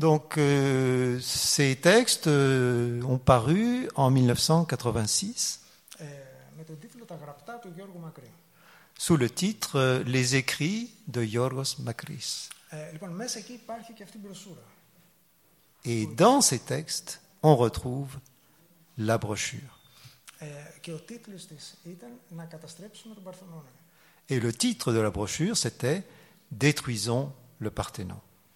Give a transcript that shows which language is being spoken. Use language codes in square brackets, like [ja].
[fr] Donc ces textes ont paru en 1986. [el] Με τον τίτλο «Τα γραπτά του Γιώργου Μακρύ». [fr] Sous le titre « Les écrits de Yorgos Makris ». [el] Λοιπόν, μέσα εκεί υπάρχει και αυτή η μπροσούρα. [fr] Et dans ces textes, on retrouve la brochure. [el] Και ο τίτλος της ήταν « Να καταστρέψουμε τον Παρθενώνα ». [fr] Et le titre de la brochure, c'était « Détruisons le Parthénon ».